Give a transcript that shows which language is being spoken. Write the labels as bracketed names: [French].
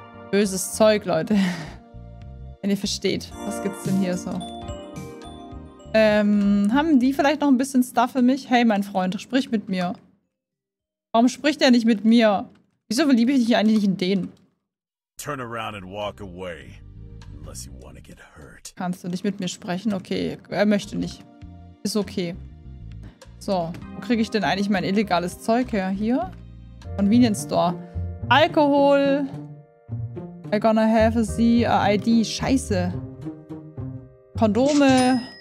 [German] böses Zeug, Leute. Wenn ihr versteht, was gibt's denn hier so? Haben die vielleicht noch ein bisschen Stuff für mich? Hey, mein Freund, sprich mit mir. Warum spricht er nicht mit mir? Wieso verliebe ich dich eigentlich nicht in den? [English] Turn around and walk away, unless you wanna get hurt. [German] Kannst du nicht mit mir sprechen? Okay, er möchte nicht. Ist okay. So, wo kriege ich denn eigentlich mein illegales Zeug her? Hier? Convenience Store. Alkohol! [English] I gonna have a ID. [German] Scheiße. Kondome.